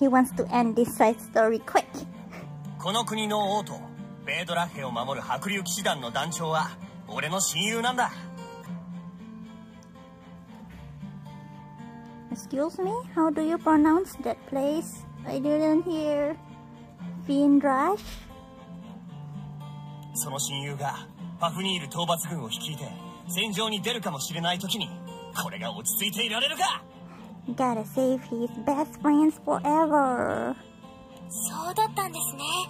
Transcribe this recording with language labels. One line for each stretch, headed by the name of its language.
English: He wants to end this side story quick.
Japanese: この国の王とベイドラッヘを守る白竜騎士団の団長は俺の親友なんだ。
English: Excuse me, how do you pronounce that place? I didn't hear. Fiendrush?
Japanese: その親友がパフニール討伐軍を率いて戦場に出るかもしれない時にこれが落ち着いていられるか。
English: Gotta save his best friends forever.
Japanese: そうだったんですね。